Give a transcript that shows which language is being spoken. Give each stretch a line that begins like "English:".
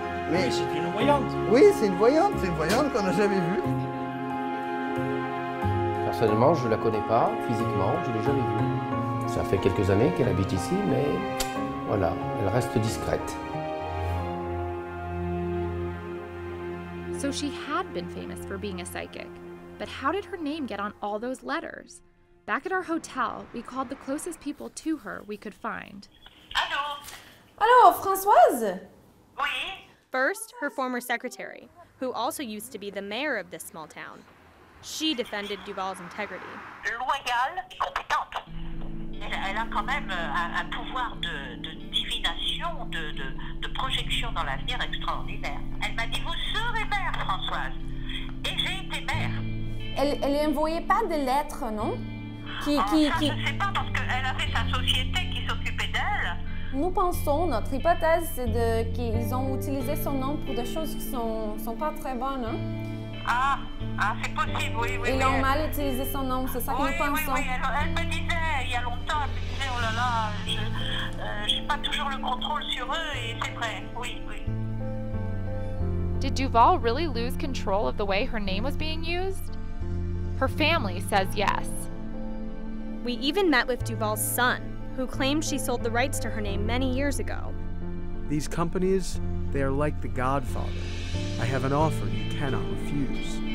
French: Oui, c'est une voyante. Oui, c'est une voyante qu'on n'a jamais vue. Personnellement, je ne la connais pas physiquement, je ne l'ai jamais vue. Ça fait quelques années qu'elle habite ici, mais voilà, elle reste discrète.
English: So she had been famous for being a psychic, but how did her name get on all those letters? Back at our hotel, we called the closest people to her we could find. Hello. Hello, Françoise?
French: Oui.
English: First, her former secretary, who also used to be the mayor of this small town. She defended Duval's integrity.
French: Loyal et compétente. Elle a quand même un pouvoir de divination, de projection dans l'avenir extraordinaire. Elle m'a dit, vous serez maire, Françoise. Et j'ai été maire. Elle n'envoyait pas de lettres, non? Qui... Je ne sais pas, parce qu'elle avait sa société qui s'occupait d'elle. Nous pensons, notre hypothèse, c'est qu'ils ont utilisé son nom pour des choses qui ne sont pas très bonnes. Hein? Ah, c'est possible, oui, oui. Ils ont mal utilisé son nom, c'est ça que nous pensons. Oui, oui. Elle me disait il y a longtemps, elle me disait, oh là là, je n'ai pas toujours le contrôle sur eux, et c'est vrai, oui, oui.
English: Did Duval really lose control of the way her name was being used? Her family says yes. We even met with Duval's son, who claimed she sold the rights to her name many years ago. These companies, they are like the Godfather. I have an offer you cannot refuse.